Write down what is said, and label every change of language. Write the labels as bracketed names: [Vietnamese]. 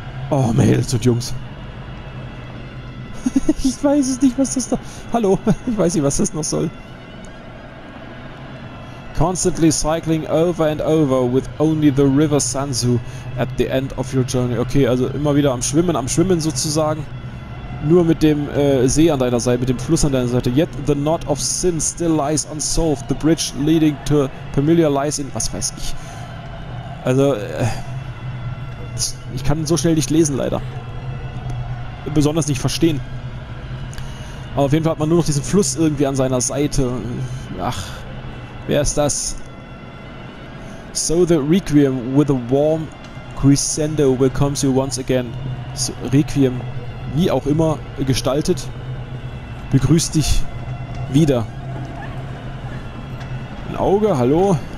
[German] Oh, Mädels und Jungs. Ich weiß es nicht, was das da... Hallo, ich weiß nicht, was das noch soll. [English] Constantly cycling over and over with only the river Sanzu at the end of your journey. [German] Okay, also immer wieder am Schwimmen sozusagen. Nur mit dem See an deiner Seite, mit dem Fluss an deiner Seite. [English] Yet the knot of sin still lies unsolved. The bridge leading to Pamelia lies in... [German] Was weiß ich. Also, ich kann so schnell nicht lesen, leider. Besonders nicht verstehen. Aber auf jeden Fall hat man nur noch diesen Fluss irgendwie an seiner Seite. Ach... Wer ist das? [English] So the Requiem with a warm crescendo welcomes you once again. [German] So, Requiem, wie auch immer gestaltet, begrüßt dich wieder. Ein Auge, hallo?